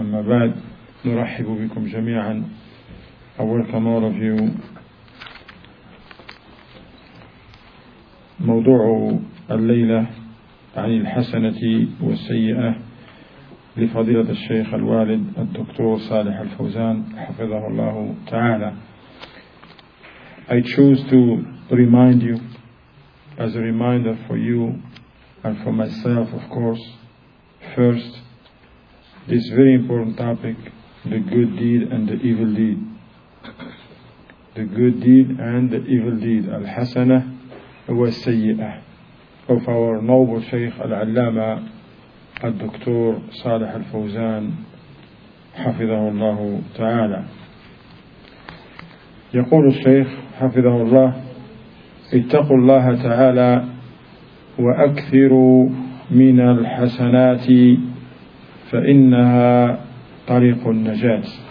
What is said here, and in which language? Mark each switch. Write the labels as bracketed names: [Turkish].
[Arabic] أما بعد، نرحب بكم جميعا. أولكم أول فيو موضوع الليلة عن الحسنة والسيئة لفضيلة الشيخ الوالد الدكتور صالح الفوزان حفظه الله تعالى. [English] I choose to remind you as a reminder for you and for myself, of course. First, this very important topic, the good deed and the evil deed. The good deed and the evil deed. Al-Hasana wa Sayyi'ah. Of our noble Shaykh Al-Allama, Al-Doktor Salih Al-Fawzan, حفظه الله تعالى. [Arabic] يقول الشيخ حفظه الله: اتقوا الله تعالى وأكثروا من الحسنات فإنها طريق النجاة.